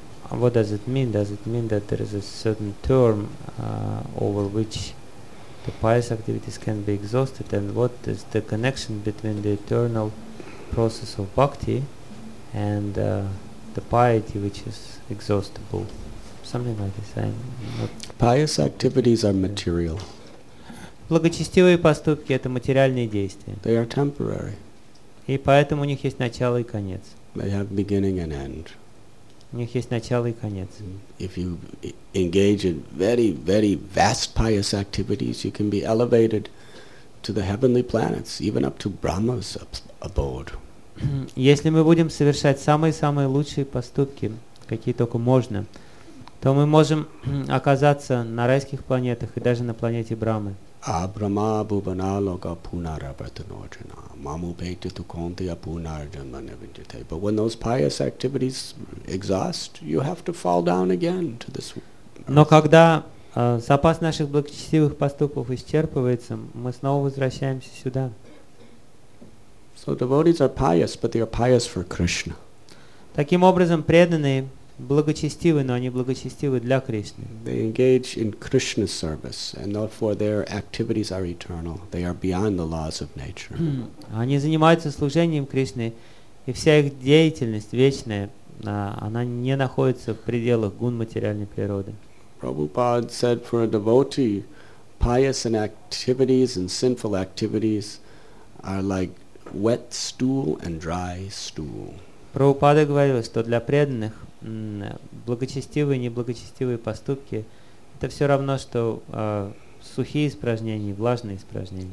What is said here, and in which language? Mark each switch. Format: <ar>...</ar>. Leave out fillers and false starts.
<en>What does it mean? Does it mean that there is a certain term over which the pious activities can be exhausted? And what is the connection between the eternal process of bhakti and the piety which is exhaustible? Something like this. Pious activities are material.</en> <ru>Благочестивые поступки — это материальные действия.</ru> <en>They are temporary.</en> <ru>И поэтому у них есть начало и конец.</ru> <en>They have beginning and end.</en> <ru>У них есть начало и конец.</ru> <en>If you engage in very, very vast pious activities, you can be elevated to the heavenly planets, even up to Brahma's abode.</en> <ru>Если мы будем совершать самые-самые лучшие поступки, какие только можно, то мы можем оказаться на райских планетах и даже на планете Брахмы.</ru> <sa>Абрама бубаналога пунаравартаноджана мамупейтиту конти апунарджамане винджите.</sa> <en>But when those pious activities exhaust, you have to fall down again to this earth.</en> <ru>Но когда запас наших благочестивых поступков исчерпывается, мы снова возвращаемся сюда.</ru> <en>So devotees are pious, but they are pious for Krishna.</en> <ru>Таким образом, преданные благочестивы, но они благочестивы для Кришны.</ru> <en>They engage in Krishna's service, and therefore their activities are eternal. They are beyond the laws of nature.</en> <ru>Они занимаются служением Кришны, и вся их деятельность вечная, она не находится в пределах гун материальной природы.</ru> <en>Prabhupada said, for a devotee, pious and activities and sinful activities are like wet stool and dry stool.</en> <ru>Прабхупада говорил, что для преданных благочестивые и неблагочестивые поступки — это все равно, что сухие испражнения и влажные испражнения.</ru>